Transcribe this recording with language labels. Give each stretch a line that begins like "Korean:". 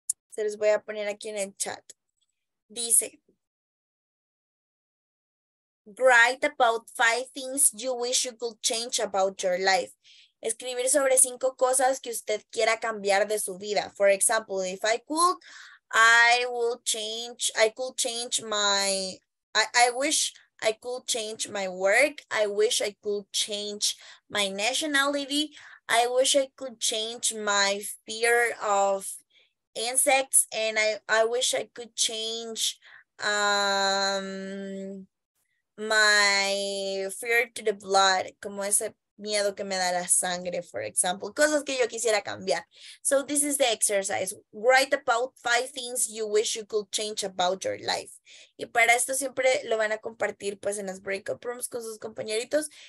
Spanish: Se los voy a poner aquí en el chat.
English: Dice, write about five things you wish you could change about your life.
Spanish: Escribir sobre cinco cosas que usted quiera cambiar de su vida.
English: For example, if I could, I wish I could change my work. I wish I could change my nationality. I wish I could change my fear of insects, and I wish I could change my fear to the blood,
Spanish: como ese miedo que me da la sangre,
English: for example.
Spanish: Cosas que yo quisiera cambiar.
English: So this is the exercise. Write about 5 things you wish you could change about your life.
Spanish: Y para esto siempre lo van a compartir pues en las breakout rooms con sus compañeritos.